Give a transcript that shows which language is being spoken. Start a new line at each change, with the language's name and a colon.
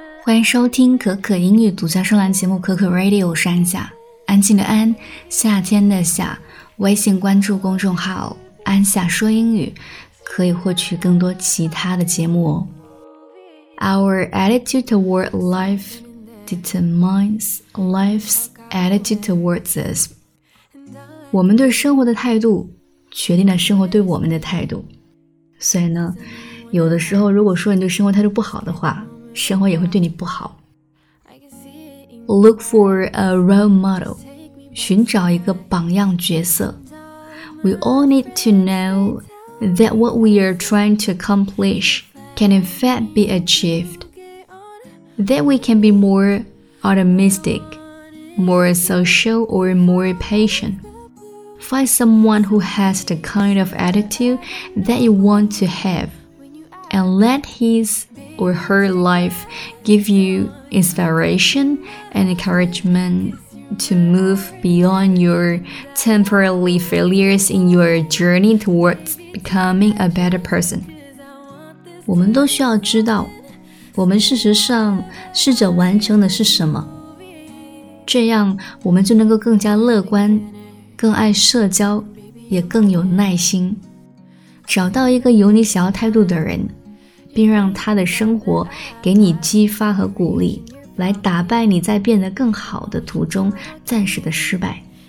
Chinese: 欢迎收听可可英语独家专栏节目可可 Radio， 我是安夏，安静的安，夏天的夏。微信关注公众号安夏说英语，可以获取更多其他的节目哦。
English: Our attitude toward life determines life's attitude towards us.
Chinese: 我们对生活的态度决定了生活对我们的态度。所以呢，有的时候如果说你对生活态度不好的话，生活也会对你不好。
English: Look for a role model，
Chinese: 寻找一个榜样角色。
English: We all need to know that what we are trying to accomplish can in fact be achieved. That we can be more optimistic, more social, or more patient. Find someone who has the kind of attitude that you want to have, and let hisor her life give you inspiration and encouragement to move beyond your temporary failures in your journey towards becoming a better person.
Chinese: 我们都需要知道我们事实上试着完成的是什么，这样我们就能够更加乐观，更爱社交，也更有耐心。找到一个有你想要态度的人，并让他的生活给你激发和鼓励，来打败你在变得更好的途中暂时的失败。